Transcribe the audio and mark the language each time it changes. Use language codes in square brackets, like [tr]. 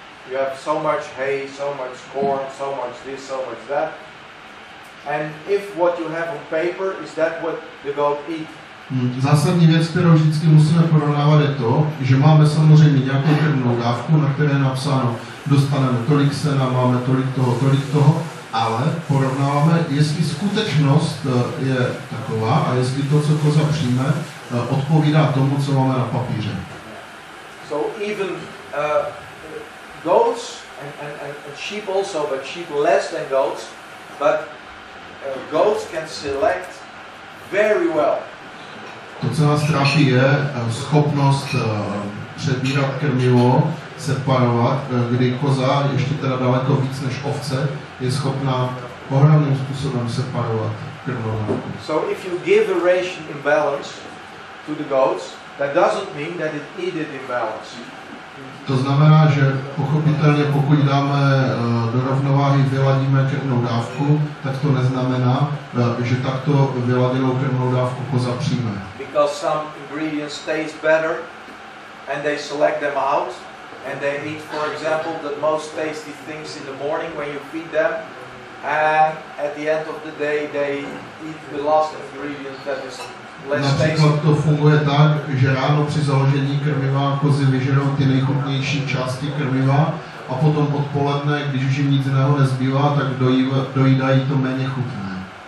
[en] You have so much hay, so much corn, so much this, so much that. And if what you have on paper is that what the goat eat. [cs] Zásadní věc, kterou vždycky musíme porovnávat, je to, že máme samozřejmě nějakou krmnou dávku, na které je napsáno, dostaneme tolik sena, máme tolik toho, ale porovnáváme, jestli skutečnost je taková a jestli to, co koza přijme, odpovídá tomu, co máme na papíře. [en] So even goats and sheep also, but sheep less than goats, but goats can select very well. [cs] To, co nás trápí, je schopnost přebírat krmivo, separovat, kdy koza, ještě teda daleko víc než ovce, je schopná ohromným způsobem separovat krmivo. [en] So if you give a ration in balance to the goats, that doesn't mean that it eat it in balance. [cs] To znamená, že pochopitelně, pokud dáme do rovnováhy, vyladíme krvnou dávku, tak to neznamená, že takto vyladěnou krvnou dávku pozapříme. [en] Because some ingredients taste better and they select them out and they eat, for example, the most tasty things in the morning when you feed them, and at the end of the day they eat the last ingredient that is [cs] Například to funguje tak, že ráno při založení krmiva kozy vyžerou ty nejchutnější části krmiva a potom odpoledne, když už jim nic jiného nezbývá, tak dojídají to méně chutné.